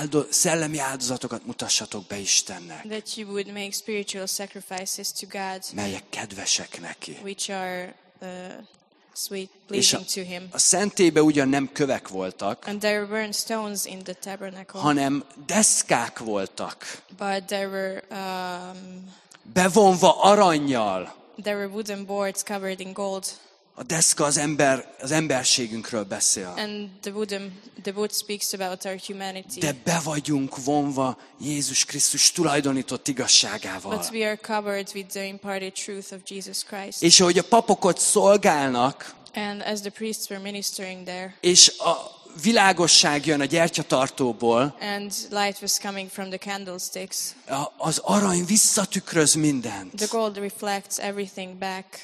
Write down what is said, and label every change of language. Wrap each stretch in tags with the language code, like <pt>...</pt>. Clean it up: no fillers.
<hu>Szellemi áldozatokat mutassatok be Istennek.</hu> <en>That you would make spiritual sacrifices to God.</en> <hu>Melyek kedvesek neki.</hu> <en>Which are sweet, pleasing to him.</en> <hu>A szentélybe ugyan nem kövek voltak.</hu> <en>And there weren't stones in the tabernacle.</en> <hu>Hanem deszkák voltak.</hu> <en>But there were</en> <hu>bevonva arannyal.</hu> <en>There were wooden boards covered in gold.</en> <hu>A deszka az emberségünkről beszél.</hu> <en>And the wood speaks about our humanity.</en> <hu>De be vagyunk vonva Jézus Krisztus tulajdonított igazságával.</hu> <en>But we are covered with the imparted truth of Jesus Christ.</en> <hu>És ahogy a papokot szolgálnak,</hu> <en>and as the priests were ministering there,</en> <hu>és a világosság jön a gyertyatartóból.</hu> <en>And light was coming from the candlesticks.</en> <hu>Az arany visszatükröz mindent.</hu> <en>The gold reflects everything back.</en>